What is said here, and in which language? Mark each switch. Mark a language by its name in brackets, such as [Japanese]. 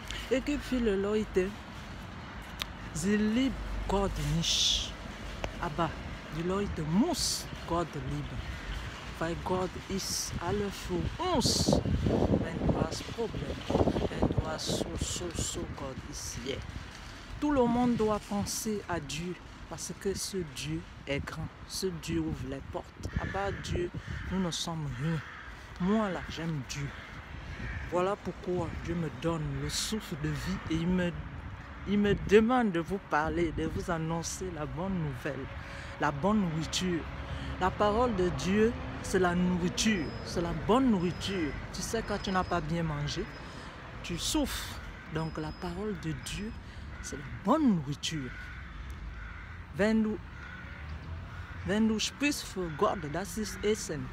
[German] Es gibt viele Leute, sie lieben Gott nicht, aber die Leute müssen Gott lieben, weil Gott ist alles für uns. Wenn du hast Probleme, wenn du hast so, Gott ist hier. [French] Tout le monde doit penser à Dieu parce que ce Dieu est grand. Ce Dieu ouvre les portes. À part Dieu, nous ne sommes rien. Moi là, j'aime Dieu. Voilà pourquoi Dieu me donne le souffle de vie et il me demande de vous parler, de vous annoncer la bonne nouvelle. La bonne nourriture. La parole de Dieu, c'est la nourriture. C'est la bonne nourriture. Tu sais, quand tu n'as pas bien mangé, tu souffres. Donc, la parole de Dieu, c'est la bonne nourriture. [German] Wenn du sprichst für Gott, das ist Essen.